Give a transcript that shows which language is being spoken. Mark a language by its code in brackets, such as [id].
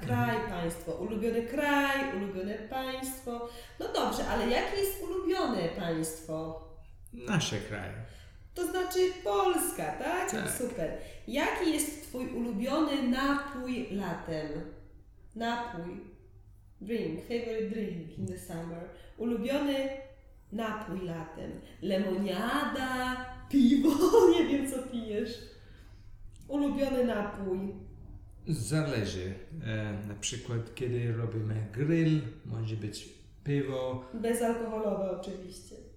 [pl] Kraj, państwo, ulubiony kraj, ulubione państwo. No dobrze, ale jakie jest ulubione państwo? Nasze kraje. To znaczy Polska, tak? Tak. Super. Jaki jest Twój ulubiony napój latem? Napój. [en] Drink, favorite drink in the summer. [pl] Ulubiony napój latem. Lemoniada, piwo, nie wiem co pijesz. Ulubiony napój? Zależy. Na przykład, kiedy robimy grill, może być piwo. Bezalkoholowe oczywiście.